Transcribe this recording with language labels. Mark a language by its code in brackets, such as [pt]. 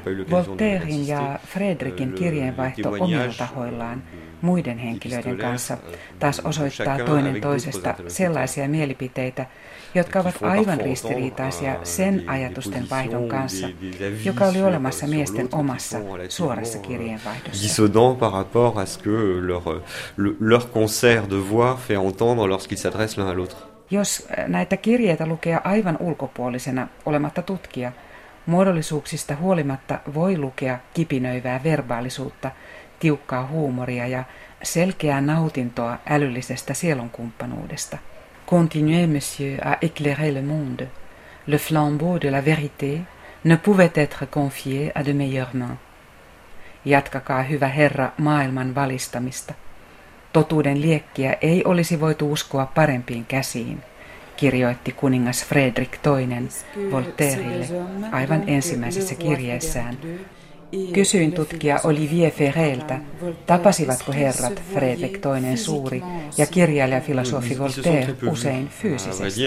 [fi] Voltairein ja Fredrikin kirjeenvaihto omilla tahoillaan muiden henkilöiden kanssa taas osoittaa toinen toisesta sellaisia mielipiteitä, jotka ovat aivan ristiriitaisia sen ajatusten vaihdon kanssa, joka oli olemassa miesten omassa suorassa kirjeenvaihdossa. [fr] Dissonant par rapport à ce que leur concert de voix fait entendre lorsqu'ils s'adressent l'un à l'autre. [fi] Jos näitä kirjeitä lukee aivan ulkopuolisena, olematta tutkija, muodollisuuksista huolimatta voi lukea kipinöivää verbaalisuutta, tiukkaa huumoria ja selkeää nautintoa älyllisestä sielunkumppanuudesta. [fr] Continuez, monsieur, à éclairer le monde. Le flambeau de la vérité ne pouvait être confié à de meilleures mains. [fi] Jatkakaa, hyvä herra, maailman valistamista. Totuuden liekkiä ei olisi voitu uskoa parempiin käsiin, kirjoitti kuningas Fredrik II Voltairelle aivan ensimmäisessä kirjeessään. Kysyin tutkija Olivier Ferreltä, tapasivatko herrat Fredrik II suuri ja kirjailija-filosofi Voltaire usein fyysisesti.